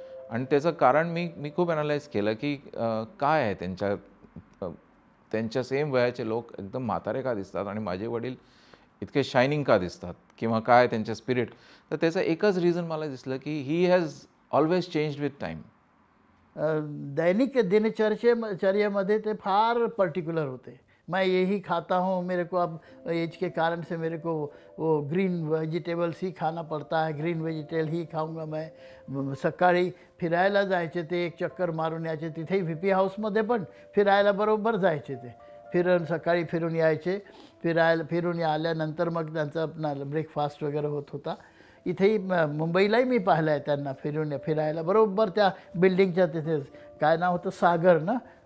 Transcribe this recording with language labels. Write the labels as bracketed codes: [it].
[mr] आणि त्याचं कारण मी खूप ॲनालाइज केलं की काय आहे त्यांच्या सेम वयाचे लोक एकदम म्हातारे का दिसतात आणि माझे वडील इतके शायनिंग का दिसतात, किंवा काय त्यांचे स्पिरिट. तर त्याचं एकच रिझन मला दिसलं की [en] He has always changed with time. [mr] दैनिक दिनचर्येमध्ये ते फार पर्टिक्युलर होते. [hi] मैं यही खाता हूँ, मेरे को अब एज के कारण से मेरे को वो ग्रीन वेजिटेबल्स ही खाना पड़ता है, ग्रीन वेजिटेबल ही खाऊंगा मैं. [mr] सकाळी फिरायला जायचे ते, एक चक्कर मारून यायचे तिथे व्हीपी हाऊसमध्ये, पण फिरायला बरोबर जायचे ते. फिरून सकाळी फिरून यायचे, फिरून आल्यानंतर मग त्यांचा आपला ब्रेकफास्ट वगैरे होत होता. इथेही मुंबईलाही मी पाहिलं आहे त्यांना फिरायला बरोबर त्या बिल्डिंगच्या, तिथे काय नाव होतं, सागर ना,